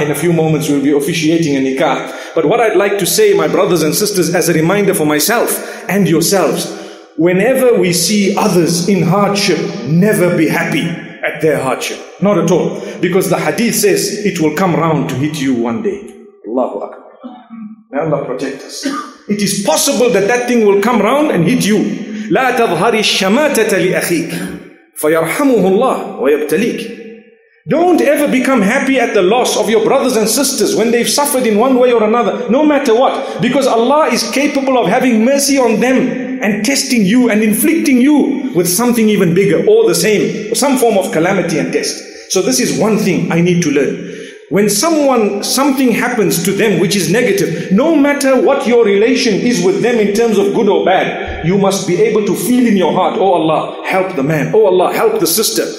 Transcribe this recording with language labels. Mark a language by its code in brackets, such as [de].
[en] In a few moments, we'll be officiating a nikah. But what I'd like to say, my brothers and sisters, as a reminder for myself and yourselves, whenever we see others in hardship, never be happy at their hardship. Not at all. Because the hadith says, it will come round to hit you one day. Allahu Akbar. May Allah protect us. It is possible that that thing will come round and hit you. [ar] لا تظهري الشماتة لأخيك فيرحمه الله ويبتليك. [en] Don't ever become happy at the loss of your brothers and sisters when they've suffered in one way or another, no matter what. Because Allah is capable of having mercy on them and testing you and inflicting you with something even bigger or the same, some form of calamity and test. So this is one thing I need to learn. When something happens to them which is negative, no matter what your relation is with them in terms of good or bad, you must be able to feel in your heart, oh Allah, help the man, oh Allah, help the sister.